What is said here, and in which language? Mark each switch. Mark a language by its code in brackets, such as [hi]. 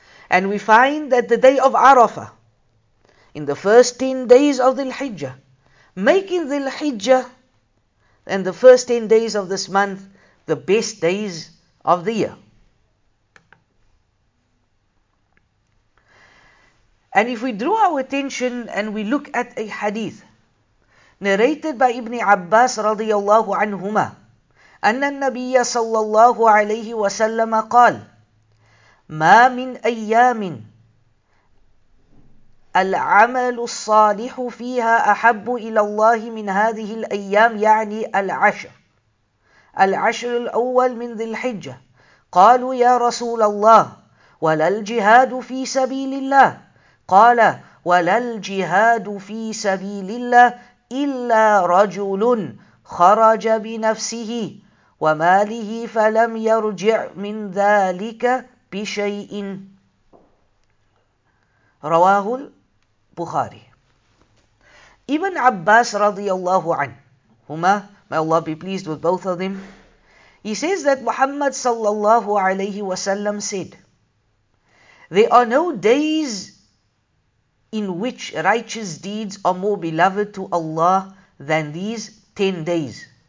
[en] And we find that the day of Arafah, in the first 10 days of Dhul Hijjah, making Dhul Hijjah and the first 10 days of this month the best days of the year. And if we draw our attention and we look at a hadith narrated by Ibn Abbas radiyallahu anhuma, [ar] أن النبي صلى الله عليه وسلم قال ما من أيام العمل الصالح فيها أحب إلى الله من هذه الأيام يعني العشر العشر الأول من ذي الحجة قالوا يا رسول الله ولا الجهاد في سبيل الله قال ولا الجهاد في سبيل الله إلا رجل خرج بنفسه وماله فلم يرجع من ذلك بشيء رواه البخاري. [en] Ibn Abbas radiyallahu anhu, may Allah be pleased with both of them, he says that Muhammad sallallahu alayhi wasallam said, there are no days in which righteous deeds are more beloved to Allah than these 10 days.